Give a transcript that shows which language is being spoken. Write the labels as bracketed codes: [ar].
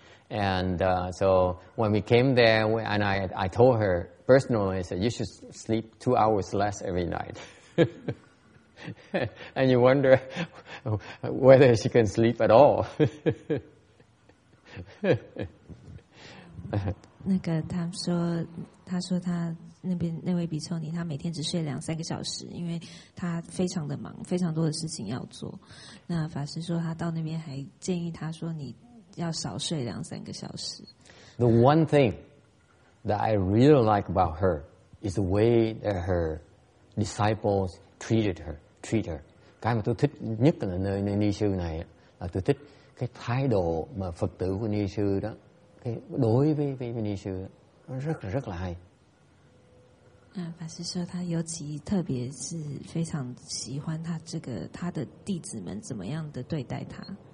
[en] And so when we came there, and I told her personally, I said, you should sleep 2 hours less every night. And you wonder whether she can sleep at all. [zh] 那个他说他那边那位比丘尼，他每天只睡两三个小时，因为他非常的忙，非常多的事情要做。那法师说他到那边还建议他说你要少睡两三个小时。 [en] The one thing that I really like about her is the way that her disciples treated her. [vi] Cái mà tôi thích nhất là nơi ni sư này là tôi thích cái thái độ mà Phật tử của ni sư đó, cái đối với ni sư đó, nó rất là hay. À, Pháp sư nói, ta [zh] 尤其特别是非常喜欢他这个他的弟子们怎么样的对待他。